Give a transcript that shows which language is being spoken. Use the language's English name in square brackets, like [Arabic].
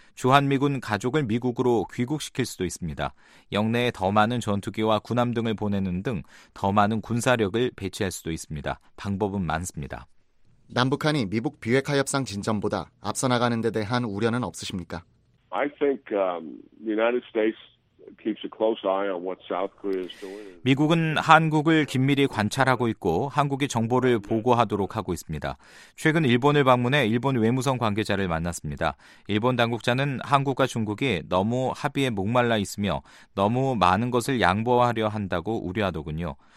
[Korean] 주한미군 가족을 미국으로 귀국시킬 수도 있습니다. 영내에 더 많은 전투기와 군함 등을 보내는 등 더 많은 군사력을 배치할 수도 있습니다. 방법은 많습니다. 남북한이 미국 비핵화 협상 진전보다 앞서 나가는 데 대한 우려는 없으십니까? [English] I think the United States keeps a close eye on what South Korea is doing. [Korean] 미국은 한국을 긴밀히 관찰하고 있고 한국이 정보를 보고하도록 하고 있습니다. 최근 일본을 방문해 일본 외무성 관계자를 만났습니다. 일본 당국자는 한국과 중국이 너무 합의에 목말라 있으며 너무 많은 것을 양보하려 한다고 우려하더군요.